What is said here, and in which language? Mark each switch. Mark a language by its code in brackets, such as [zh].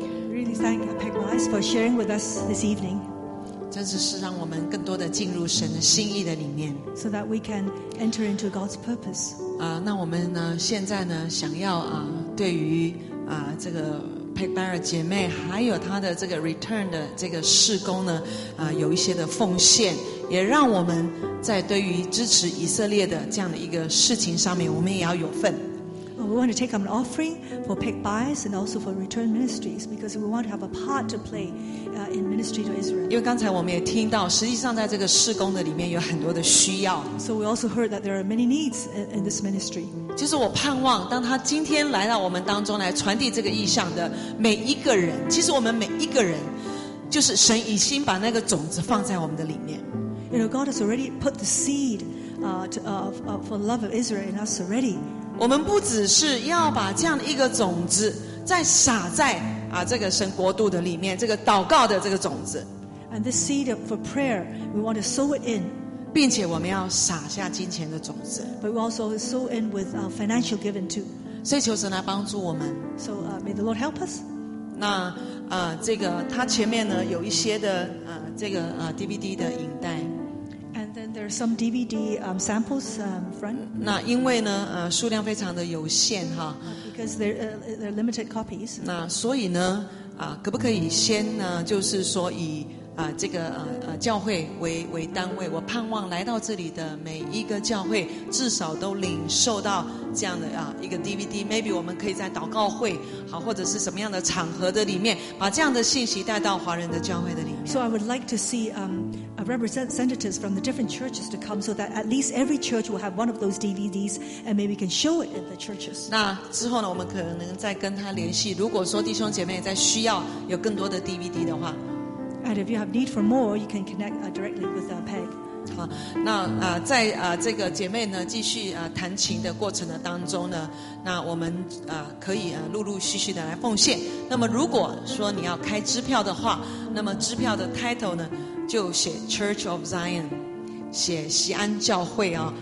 [en] ，Really thank Peg Wise for sharing with us this evening. [zh] 真是让我们更多的进入神的心意的里面 [en] ，so that we can enter into God's purpose. [zh] 那我们呢？现在呢？想要对于这个 Peg Barrett 姐妹还有她的这个 return 的这个事工呢有一些的奉献，也让我们在对于支持以色列的这样的一个事情上面，我们也要有份。 [en] We want to take up an offering for Peg Bias and also for return ministries because we want to have a part to play in ministry to Israel. [zh] 因为刚才我们也听到，实际上在这个事工的里面有很多的需要。 [en] So we also heard that there are many needs in this ministry. [zh] 就是我盼望，当他今天来到我们当中来传递这个意向的每一个人，其实我们每一个人，就是神已经把那个种子放在我们的里面。 [en] You know, God has already put the seed for the love of Israel in us already. [zh] 我们不只是要把这样的一个种子再撒在这个神国度的里面，这个祷告的这个种子。 [en] And this seed for prayer, we want to sow it in. [zh] 并且我们要撒下金钱的种子。 [en] But we also sow in with financial giving too. [zh] 所以求神来帮助我们。 [en] So may the Lord help us. [zh] 那这个他前面呢有一些的这个DVD 的影带。 [en] And then there are some DVD samples front. [zh] 那因为呢，数量非常的有限哈。 [en] Because they're limited copies. [zh] 那所以呢，可不可以先呢，就是说以这个教会为单位，我盼望来到这里的每一个教会至少都领受到这样的一个 DVD. [en] Maybe [zh] 我们可以在祷告会好，或者是什么样的场合的里面，把这样的信息带到华人的教会的里面。 [en] So I would like to see representatives from the different churches to come so that at least every church will have one of those DVDs and maybe can show it in the churches. [zh] 那之后呢，我们可能再跟他联系。如果说弟兄姐妹在需要有更多的 DVD 的话。 [en] And if you have need for more, you can connect directly with Peg. [zh] 好，那在这个姐妹呢继续弹琴的过程的当中呢，那我们可以陆陆续续的来奉献。那么如果说你要开支票的话，那么支票的 title 呢就写 Church of Zion， 写锡安教会啊。